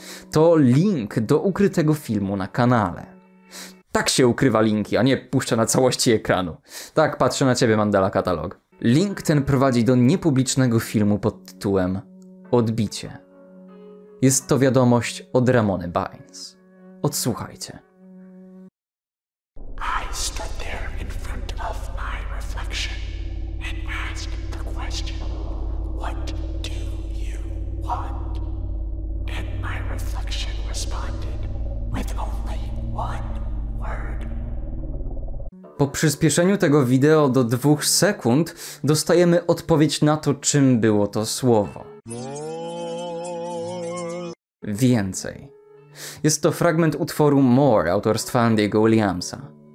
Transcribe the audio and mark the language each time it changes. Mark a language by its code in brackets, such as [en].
[pl] To link do ukrytego filmu na kanale. Tak się ukrywa linki, a nie puszcza na całości ekranu. Tak, patrzę na ciebie, Mandala Katalog. Link ten prowadzi do niepublicznego filmu pod tytułem Odbicie. Jest to wiadomość od Ramony Bynes. Odsłuchajcie. [en] I stood there in front of my reflection and asked the question, what do you want? And my reflection responded with only one word. [pl] Po przyspieszeniu tego wideo do 2 sekund dostajemy odpowiedź na to, czym było to słowo. Więcej. Jest to fragment utworu More autorstwa Andy'ego Williamsa.